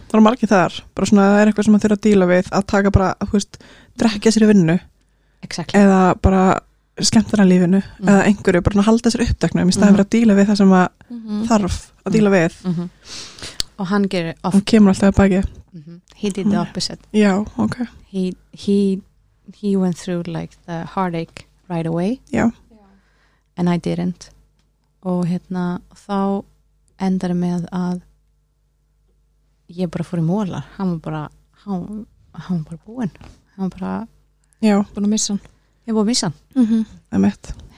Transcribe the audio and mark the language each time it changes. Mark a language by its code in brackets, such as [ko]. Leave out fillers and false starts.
[is] Það er margir þar, bara svona það er eitthvað sem að þurfa að díla við, að taka bara, þú veist, drekja sér í vinnu. [en] Exactly. [is] Eða bara. skemmtana lífinu eða einhverju bara að halda sér uppteknum í staðan fyrir að díla við það sem að þarf að díla við og hann gerir hann kemur alltaf að baki [en] he did the opposite [is] Já, okay. [en] he went through like the heartache right away [is] Já. [en] And I didn't [is] og hérna þá endar með að ég bara fór í mólar hann var bara búinn hann var bara búinn að missa hann Ég búið að missa hann. Mm-hmm.